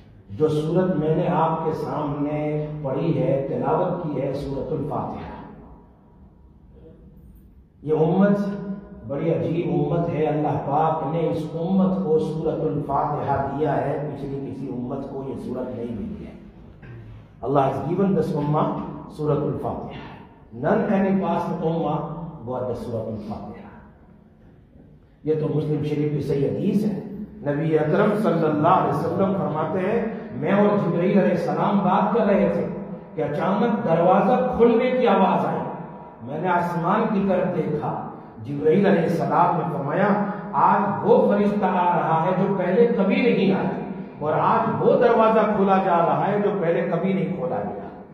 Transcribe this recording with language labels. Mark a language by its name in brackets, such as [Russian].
[Urdu] جو سورت میں نے آپ کے سامنے پڑھی ہے، تلاوت کی ہے، سورت الفاتحہ. یہ امت بڑی عجیب امت ہے، اللہ پاک نے اس امت کو سورت الفاتحہ دیا ہے، پچھلی کسی امت کو یہ سورت نہیں ملی ہے. [English] Allah has given this امہ سورت الفاتحہ. None any past امہ got the سورت الفاتحہ. [Urdu] یہ تو مسلم شریف کی صحیح حدیث ہے. نبی اکرم صلی اللہ علیہ وسلم فرماتے ہیں، میں اور جبرائیل علیہ السلام بات کر رہے تھے کہ اچانک دروازہ کھلنے کی آواز آئی، میں نے آسمان کی طرف دیکھا، جبرائیل علیہ السلام نے فرمایا، آج وہ فرشتہ آ رہا ہے جو پہلے کبھی نہیں آیا، اور آج وہ دروازہ کھولا جا رہا ہے جو پہلے کبھی نہیں کھولا گیا.